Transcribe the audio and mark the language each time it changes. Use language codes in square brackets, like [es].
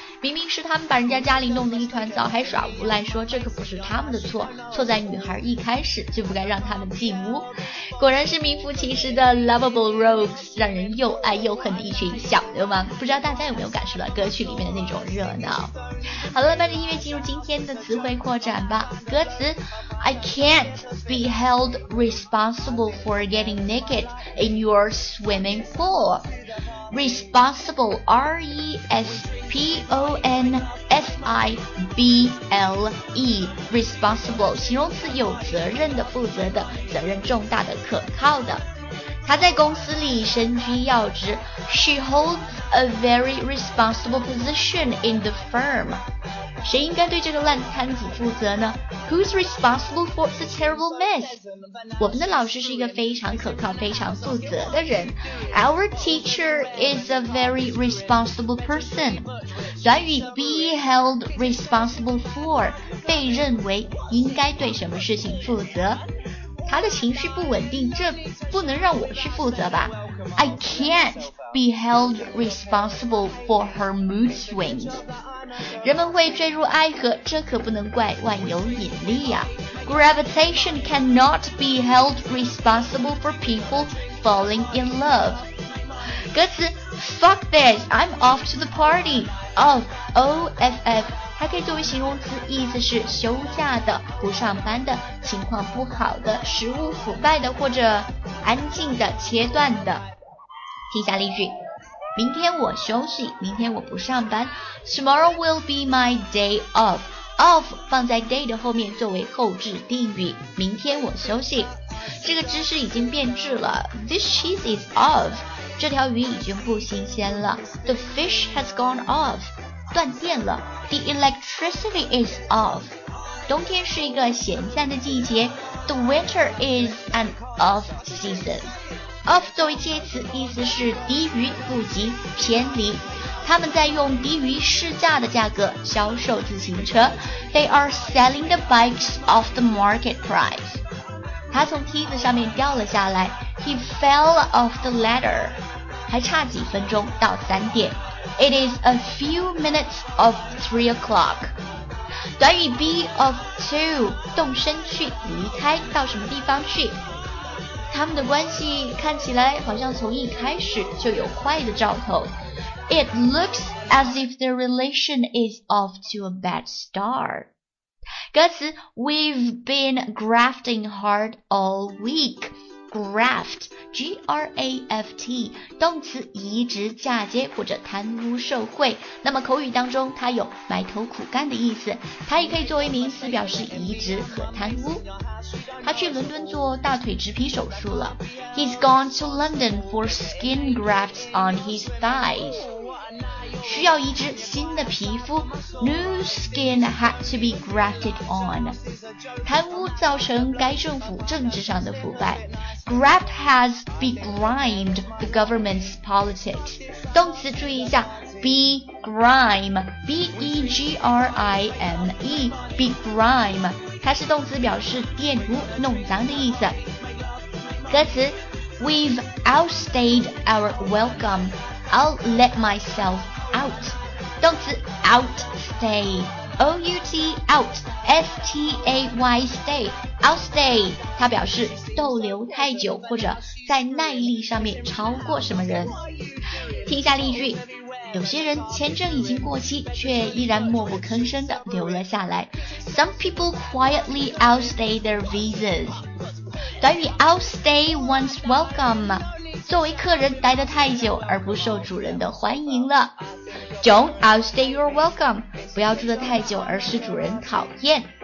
[zh] 明明是他们把人家家里弄得一团糟，还耍无赖说这可不是他们的错，错在女孩一开始就不该让他们进屋。果然是名副其实的 Lovable Rogues， 让人又爱又恨的一群小流氓。不知道大家有没有感受到歌曲里面的那种热闹。好了，伴着音乐进入今天的词汇扩展吧。歌词 [en] I can't be held responsible for getting naked in your swimming pool. Responsible, R-E-S-P-O-N-S-I-B-L-E. [zh] Responsible, 形容词，有责任的，负责的，责任重大的，可靠的。他在公司里身居要职， [en] She holds a very responsible position in the firm. [zh] 谁应该对这个烂摊子负责呢？ [en] Who's responsible for the terrible mess? [zh] 我们的老师是一个非常可靠，非常负责的人。 [en] Our teacher is a very responsible person. [zh] 短语 be held responsible for, 被认为应该对什么事情负责。他的情绪不稳定，这不能让我去负责吧。 [en] I can't be held responsible for her mood swings. [zh] 人们会坠入爱河，这可不能怪万有引力呀。 [en] Gravitation cannot be held responsible for people falling in love. [zh] 歌词 [en] Fuck this, I'm off to the party. Oh, OFF. [zh] 它可以作为形容词，意思是休假的、不上班的、情况不好的、食物腐败的或者安静的、切断的。听下例句，明天我休息，明天我不上班。 [en] Tomorrow will be my day off. [zh] Off 放在 day 的后面作为后置定语，明天我休息。这个芝士已经变质了。 [en] This cheese is off. [zh] 这条鱼已经不新鲜了。 [en] The fish has gone off. [zh] 断电了 [en] The electricity is off [zh] 冬天是一个闲散的季节 [en] The winter is an off season [zh] Off 作为介词意思是低于不及偏离他们在用低于市价的价格销售自行车 [en] They are selling the bikes off the market price [zh] 他从梯子上面掉了下来 [en] He fell off the ladder [zh] 还差几分钟到三点 [en] It is a few minutes of 3 o'clock. [zh] 短语 be of to 动身去离开到什么地方去。他们的关系看起来好像从一开始就有坏的兆头。 [en] It looks as if the relation is off to a bad start. [zh] 歌词 [en] We've been grafting hard all week. [zh] Graft, G-R-A-F-T, 动词移植嫁接或者贪污受贿。那么口语当中它有埋头苦干的意思，它也可以作为名词表示移植和贪污。他去伦敦做大腿植皮手术了。 [en] He's gone to London for skin grafts on his thighs. [zh] 需要移植新的皮肤。 [en] New skin had to be grafted on. [zh] 贪污造成该政府政治上的腐败。 [en] Graft has begrimed the government's politics. [zh] 动词注意一下 begrime, B-E-G-R-I-M-E, begrime, 它是动词表示玷污、弄脏的意思。歌词 [en] We've outstayed our welcome. I'll let myself out. [zh] 动词 [en] outstay, O-U-T, out, S-T-A-Y, stay. [zh] Outstay 它表示逗留太久或者在耐力上面超过什么人听一下例句有些人签证已经过期却依然默不吭声地留了下来 [en] Some people quietly outstay their visas [zh] 短语 outstay one's welcome 作为客人待得太久而不受主人的欢迎了 [en] Don't outstay your welcome [zh] 不要住得太久而使主人讨厌